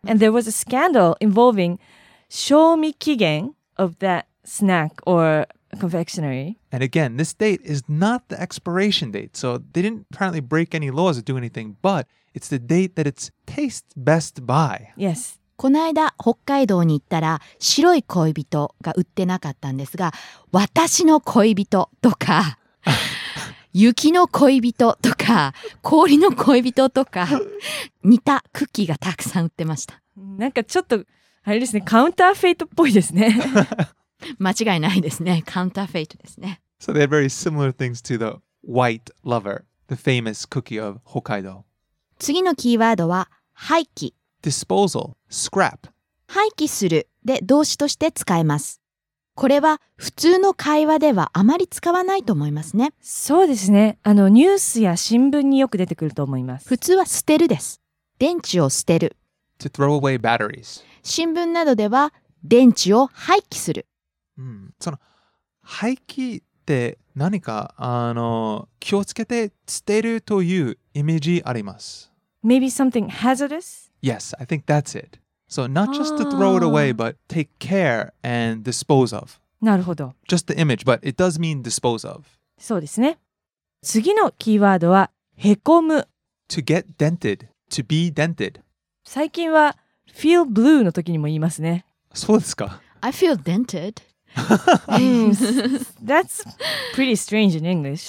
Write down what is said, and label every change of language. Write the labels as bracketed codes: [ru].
[en] And there was a scandal involving 賞味期限 of that snack or confectionery. And again, this date is not the expiration date. So they didn't apparently break any laws or do anything, but it's the date that it's tastes best by. Yes. [ja] この間北海道に行ったら白い恋人が売ってなかったんですが、私の恋人とか雪の恋人とか氷の恋人とか似たクッキーがたくさん売ってました。なんかちょっとあれですね、カウンターフェイトっぽいですね間違いないですね、カウンターフェイトですね。 [en] So they're very similar things to the white lover, the famous cookie of Hokkaido. [ja] 次のキーワードは廃棄、 [en] Disposal, scrap. [ja] 廃棄するで動詞として使えます。これは普通の会話ではあまり使わないと思いますね。そうですね。ニュースや新聞によく出てくると思います。普通は捨てるです。電池を捨てる。 [en] To throw away batteries. [ja] 新聞などでは電池を廃棄する。うん、その廃棄って何か気をつけて捨てるというイメージあります。 [en] Maybe something hazardous? Yes, I think that's it. So not just to throw it away, but take care and dispose of. [ja] なるほど。 [en] Just the image, but it does mean dispose of. [ja] そうですね。次のキーワードは、へこむ。 [en] To get dented, to be dented. [ja] 最近は、 [en] feel blue [ja] の時にも言いますね。そうですか。 [en] I feel dented. That's pretty strange in English.